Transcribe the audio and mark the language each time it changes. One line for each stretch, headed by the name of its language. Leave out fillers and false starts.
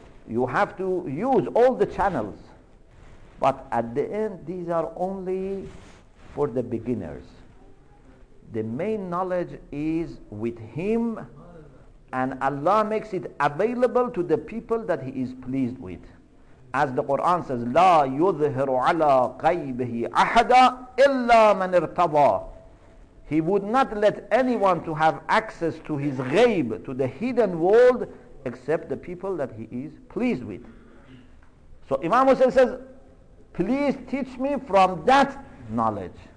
English: You have to use all the channels. But at the end, these are only for the beginners. The main knowledge is with Him, and Allah makes it available to the people that He is pleased with. As the Quran says,
Arabic: لا يظهر على قيبه أحدا إلا من ارتضى.
English: He would not let anyone to have access to his ghayb, to the hidden world, except the people that he is pleased with. So Imam Hussein says, please teach me from that knowledge.